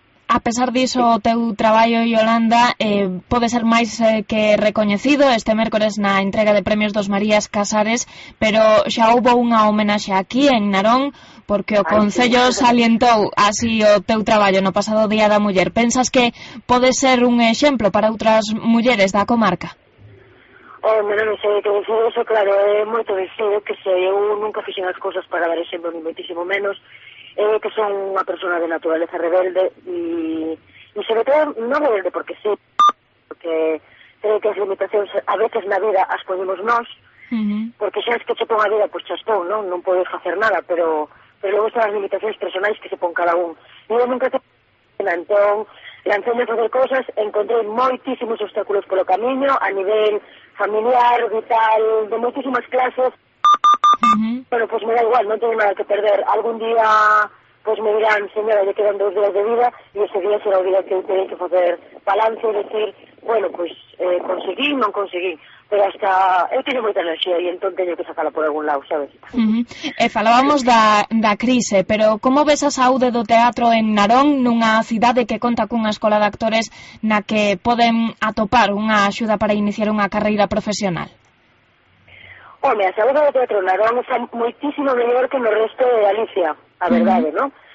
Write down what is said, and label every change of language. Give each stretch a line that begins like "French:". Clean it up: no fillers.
Galician: A pesar diso, o teu traballo, Yolanda, pode ser máis que recoñecido este mércores na entrega de premios dos Marías Casares, pero xa houbo unha homenaxe aquí, en Narón, porque o Concello salientou así o teu traballo no pasado Día da Muller. Pensas que pode ser un exemplo para outras mulleres da comarca? Claro, é moito deseo que se eu nunca fixen as cosas para dar exemplo, ni moitísimo menos. Que son unha persona de naturaleza rebelde e sobre todo non rebelde porque sí, porque creo que as limitacións a veces na vida as ponemos nós, porque xa es que che pon a vida, pois xa estou, non? Non podes facer nada, pero logo están as limitacións personais que se pon cada un. E eu nunca lanceime a facer cosas, encontrei moitísimos obstáculos polo camiño, a nivel familiar, vital, de moitísimas clases.
Spanish: Bueno, pues me da igual, no tengo nada que perder. Algún día, pues me dirán, señora, ya quedan dos días de vida, y ese día será el día que tengo que hacer balance y decir, bueno, pues conseguí, no conseguí. Pero hasta él tiene mucha energía y entonces tengo que sacarla por algún lado, ¿sabes?
Galician: Falábamos da crise, pero ¿cómo ves a saúde do teatro en Narón, nunha cidade que conta cunha escola de actores na que poden atopar unha axuda para iniciar unha carreira profesional? Home, a saúde do teatro Narón está moitísimo mellor que no resto de Galicia, a verdade, non?